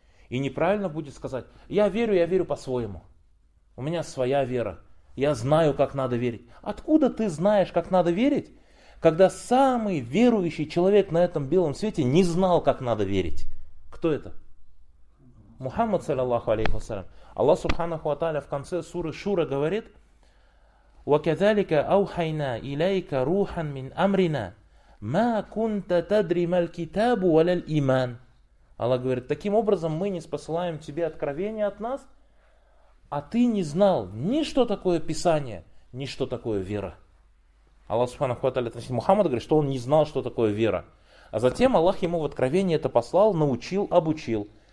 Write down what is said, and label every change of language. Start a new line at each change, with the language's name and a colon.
Russian: И неправильно будет сказать, я верю по-своему. У меня своя вера. Я знаю, как надо верить. Откуда ты знаешь, как надо верить, когда самый верующий человек на этом белом свете не знал, как надо верить? Кто это? Мухаммад, саллиллаху алейхи вассалям. Аллах Субханаху ва Тааля в конце суры Шура говорит,
Arabic: وَكَذَلِكَ أَوْحَيْنَا إِلَيْكَ رُوحًا مِنْ أَمْرِنَا مَا كُنْتَ تَدْرِي مَا الْكِتَابُ وَلَا الْإِيمَانُ.
Russian: Аллах говорит, таким образом мы не посылаем тебе откровения от нас, а ты не знал ни что такое Писание, ни что такое вера. Аллах Субханаху ва Тааля относит Мухаммад, говорит, что он не знал, что такое вера. А затем Аллах ему в откровении это послал, научил, обучил.